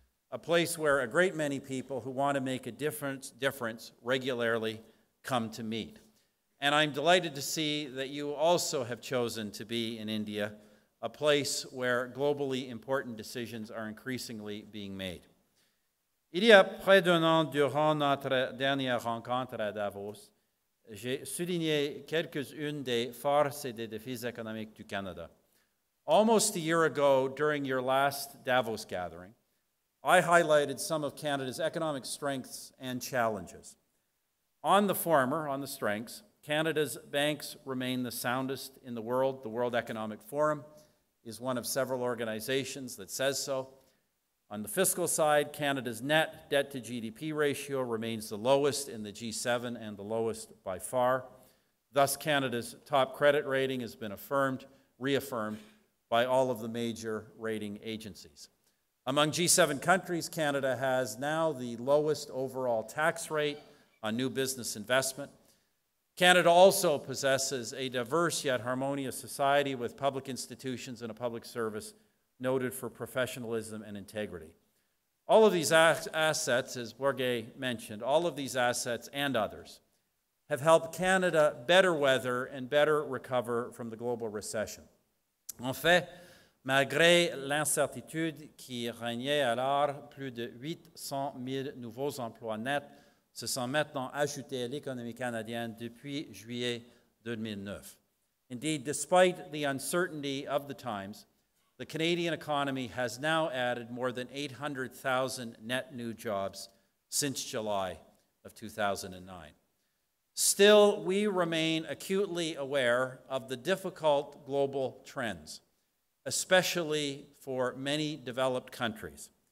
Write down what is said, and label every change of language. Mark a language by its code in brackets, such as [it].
[en] a place where a great many people who want to make a difference regularly come to meet. And I'm delighted to see that you also have chosen to be in India, a place where globally important decisions are increasingly being made. [fr] Il y a près d'un an, durant notre dernière rencontre à Davos, j'ai souligné quelques-unes des forces et des défis économiques du Canada. [en] Almost a year ago, during your last Davos gathering, I highlighted some of Canada's economic strengths and challenges. On the former, on the strengths, Canada's banks remain the soundest in the world. The World Economic Forum is one of several organizations that says so. On the fiscal side, Canada's net debt to GDP ratio remains the lowest in the G7 and the lowest by far. Thus, Canada's top credit rating has been reaffirmed by all of the major rating agencies. Among G7 countries, Canada has now the lowest overall tax rate on new business investment. Canada also possesses a diverse yet harmonious society with public institutions and a public service noted for professionalism and integrity. All of these assets, as Børge mentioned, all of these assets and others have helped Canada better weather and better recover from the global recession. [fr] En fait, malgré l'incertitude qui régnait alors, plus de 800 000 nouveaux emplois nets se sont maintenant ajoutés à l'économie canadienne depuis juillet 2009. [en] Indeed, despite the uncertainty of the times, the Canadian economy has now added more than 800,000 net new jobs since July of 2009. Still, we remain acutely aware of the difficult global trends, especially for many developed countries.